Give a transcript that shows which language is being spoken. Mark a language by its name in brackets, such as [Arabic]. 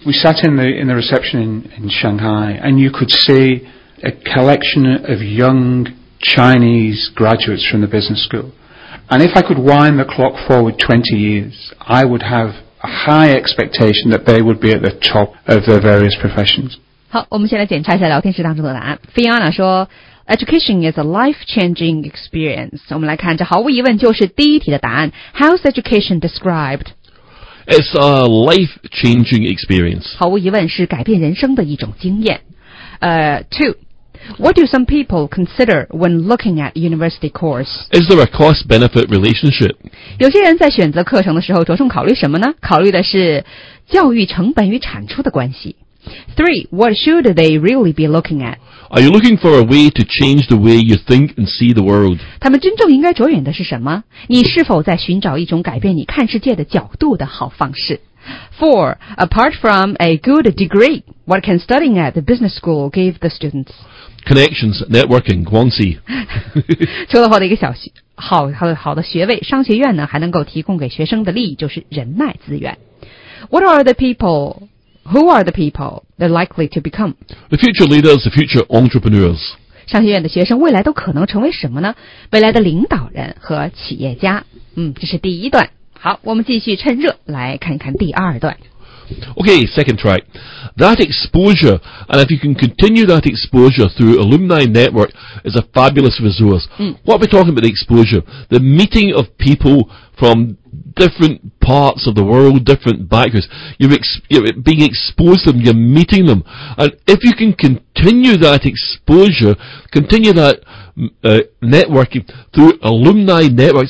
[English] We sat in the reception in Shanghai, and you could see a collection of young Chinese graduates from the business school. And if I could wind the clock forward 20 years, I would have a high expectation that they would be at the top of their various professions. [Chinese] 好，我们先来检查一下聊天室当中的答案。 Fiona 说 ， [English] Education is a life-changing experience。 [Chinese] 我们来看，这毫无疑问就是第一题的答案。 [English] How's education described? It's a life-changing experience。 [Chinese] 毫无疑问是改变人生的一种经验。 [English] Two, what do some people consider when looking at university course? Is there a cost-benefit relationship? [Chinese] 有些人在选择课程的时候着重考虑什么呢？考虑的是教育成本与产出的关系。 [English] Three, what should they really be looking at? Are you looking for a way to change the way you think and see the world? [Chinese] 他们真正应该着眼的是什么？你是否在寻找一种改变你看世界的角度的好方式？ [English] Four, apart from a good degree, what can studying at the business school give the students? Connections, networking, Guangxi. [Chinese] 除了获得一个小好的学位，商学院呢还能够提供给学生的利益就是人脉资源。 [English] What are the people... Who are the people they're likely to become? The future leaders, the future entrepreneurs. [Chinese] 商学院的学生未来都可能成为什么呢？未来的领导人和企业家。这是第一段。好，我们继续趁热来看一看第二段。 [English] Okay, second track. That exposure, and if you can continue that exposure through Alumni Network, is a fabulous resource. Mm. What are we talking about, the exposure? The meeting of people from different parts of the world, different backgrounds. You're being exposed to them, you're meeting them. And if you can continue that exposure, continue that networking through alumni networks.